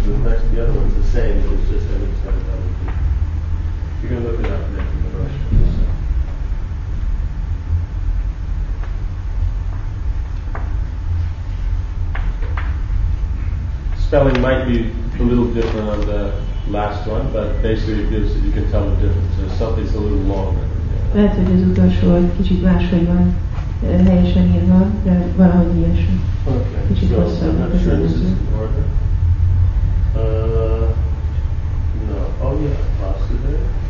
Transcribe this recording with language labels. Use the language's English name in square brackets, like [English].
[English] The other one's the same, but it's just that it's got a double D. You can look it up there in the brush. Spelling might be a little different on the last one, but basically it gives you can tell the difference. So something's a little longer. [Hungarian] Lehet, hogy az utolsó egy kicsit máshogy van, helyesen írva, de valahogy ilyesmi. [English] Okay. [Hungarian] Kicsit so hosszabb. [English] I'm not sure this is in order. No. Oh yeah, Vasudeva.